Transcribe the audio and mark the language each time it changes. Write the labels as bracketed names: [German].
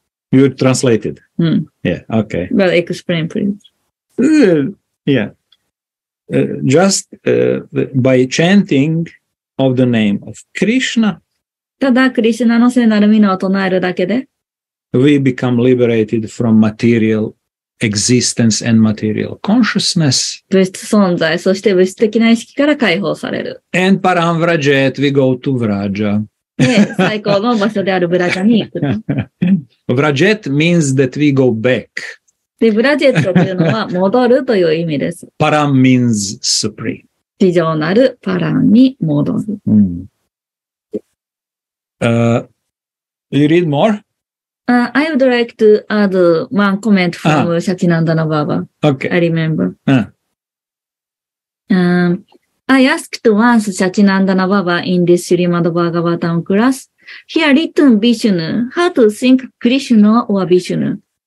[English] You translated. Yeah, okay. Well, explain, please. By chanting of the name of Krishna. [Japanese] ただ、クリシュナの聖なる皆を唱えるだけで。 [English] We become liberated from material existence and material consciousness. [Japanese] 物質存在、そして物質的な意識から解放される。 [English] And param vrajet, we go to vraja. [Japanese] 最高の場所であるブラジャに行く。 [English] Vrajet means that we go back. [Japanese] で、ブラジェットというのは戻るという意味です。 [English] Param means supreme. [Japanese] 地上なるパランに戻る。 [English] You read more? I would like to add one comment from Satyananda Baba. Okay. I remember. I asked once Satyananda Baba in this Srimad Bhagavatam class, he had written Vishnu, how to think Krishna or Vishnu?